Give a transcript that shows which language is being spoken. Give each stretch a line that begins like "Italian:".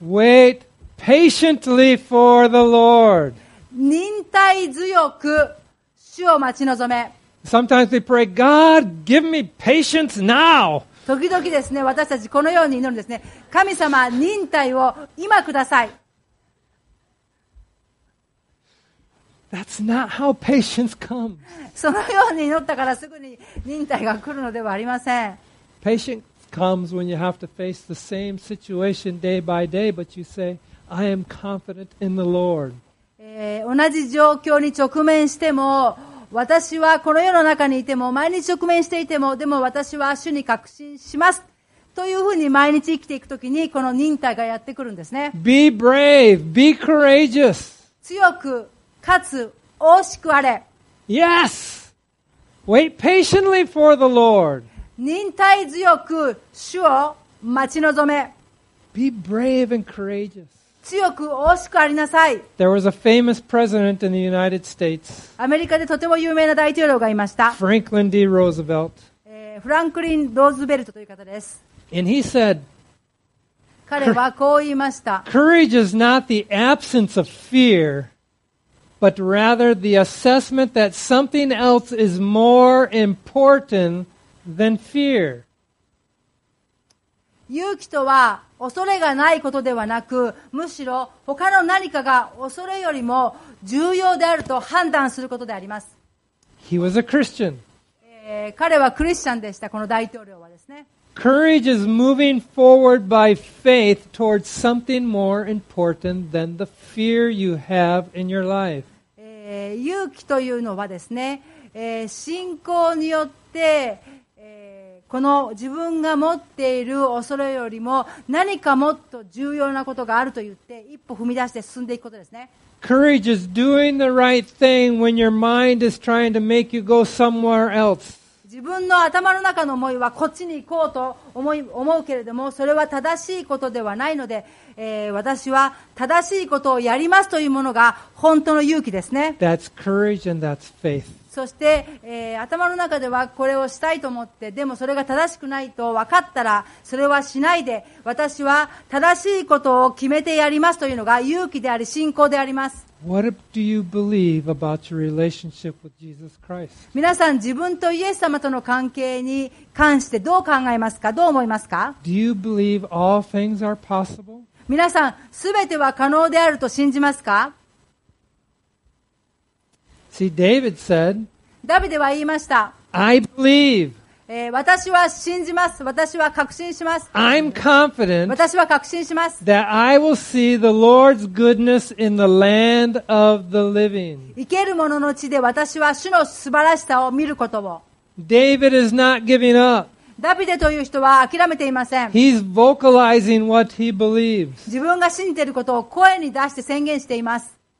English: Wait patiently for the Lord.
Japanese: 忍耐強く主を待ち望め。
English: Sometimes we pray, God, give me patience now.
Japanese: 時々ですね、私たちこのように祈るんですね。神様、忍耐を今ください。
English: That's not how patience comes.
Japanese: そのように祈ったからすぐに忍耐が来るのではありません。
English: Patience comes when you have to face the same situation day by day, but you say, I am confident in the Lord.
Japanese: 同じ状況に直面しても、私はこの世の中にいても、毎日直面していても、でも私は主に確信します。というふうに毎日生きていくときに、この忍耐がやってくるんですね。
English: Be brave, be courageous.
Japanese: 強く、かつ、大きくあれ。
English: Yes! Wait patiently for the Lord.
Japanese: 忍耐強く、主を待ち望め。
English: Be brave and courageous.
Japanese: 強く惜しくありなさい。
English: There was a famous president in the United States.
Japanese: アメリカでとても有名な大統領がいました。
English: Franklin D. Roosevelt.
Japanese: フランクリン・ローズベルトという方です。
English: And he said,
Japanese: 彼はこう言いました。
English: Courage is not the absence of fear, but rather the assessment that something else is more important than fear.
Japanese: 勇気とは恐れがないことではなく、むしろ他の何かが恐れよりも重要であると判断することであります。
English: He was a Christian.
Japanese: 彼はクリスチャンでした、この大統領はですね。
English: Courage is moving forward by faith towards something more important than the fear you have in your life.
Japanese: 勇気というのはですね、信仰によってこの自分が持っている恐れよりも何かもっと重要なことがあると言って一歩踏み出して進んでいくことですね。
English: Courage is doing the right thing when your mind is trying to make you go somewhere else.
Japanese: 自分の頭の中の思いはこっちに行こうと思うけれども、それは正しいことではないので、私は正しいことをやりますというものが本当の勇気ですね。
English: That's courage and that's faith.
Japanese: そして、頭の中ではこれをしたいと思って、でもそれが正しくないと分かったらそれはしないで、私は正しいことを決めてやりますというのが勇気であり信仰であります。
English: What do you believe about your relationship with Jesus Christ?
Japanese: 皆さん、自分とイエス様との関係に関してどう考えますか、どう思いますか。
English: Do you believe all things are possible?
Japanese: 皆さん、すべては可能であると信じますか。
English: See, David said,
Japanese: ダビデは言いました。
English: I believe.
Japanese: 私は信じます。私は確信します。
English: I'm confident.
Japanese: 私は確信します。
English: That I will see the Lord's goodness in the land of the living.
Japanese: 生ける者の地で私は主の素晴らしさを見ることを。
English: David is not giving up.
Japanese: ダビデという人は諦めていません。
English: He's vocalizing what he believes.
Japanese: 自分が信じていることを声に出して宣言しています。